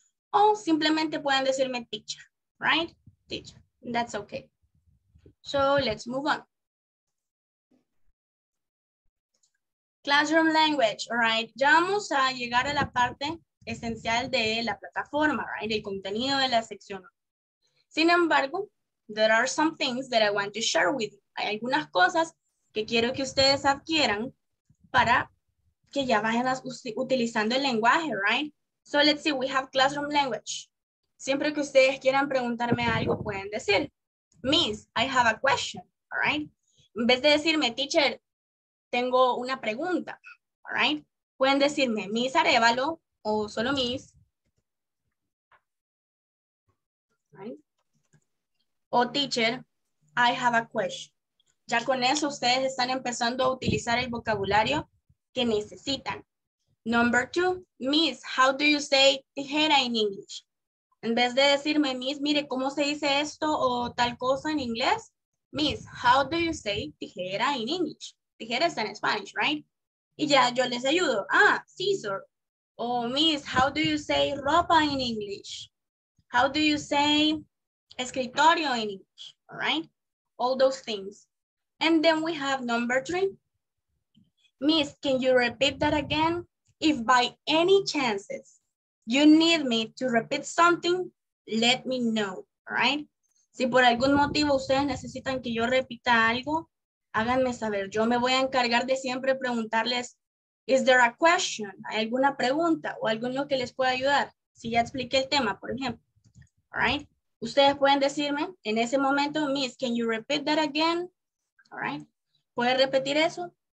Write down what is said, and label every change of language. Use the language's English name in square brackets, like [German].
[Spanish] O simplemente pueden decirme teacher, right? Teacher. [English] That's okay. So let's move on. Classroom language, all right. [Spanish] Ya vamos a llegar a la parte esencial de la plataforma, right? El contenido de la sección. Sin embargo, [English] there are some things that I want to share with you. [Spanish] Hay algunas cosas que quiero que ustedes adquieran para que ya vayan utilizando el lenguaje, right? [English] So let's see, we have classroom language. [Spanish] Siempre que ustedes quieran preguntarme algo, pueden decir, [English] Miss, I have a question, all right? [Spanish] En vez de decirme, teacher, tengo una pregunta, all right? Pueden decirme, Miss Arevalo, o solo Miss. [English] Right? O teacher, I have a question. [Spanish] Ya con eso, ustedes están empezando a utilizar el vocabulario que necesitan. [English] Number two, Miss, how do you say tijera in English? [Spanish] En vez de decirme, Miss, mire, ¿cómo se dice esto o tal cosa en inglés? [English] Miss, how do you say tijera in English? [Spanish] Tijera está en [English] Spanish, right? [Spanish] Y ya yo les ayudo. [English] Ah, scissor. O Miss, how do you say ropa in English? How do you say escritorio in English? All right? All those things. And then we have number three. Miss, can you repeat that again? If by any chances you need me to repeat something, let me know, right? [Spanish] Si por algún motivo ustedes necesitan que yo repita algo, háganme saber. Yo me voy a encargar de siempre preguntarles, [English] is there a question? [Spanish] ¿Hay alguna pregunta o alguno que les pueda ayudar? Si ya expliqué el tema, por ejemplo, right? Ustedes pueden decirme en ese momento, [English] Miss, can you repeat that again? All right? [Spanish] ¿Puede repetir eso?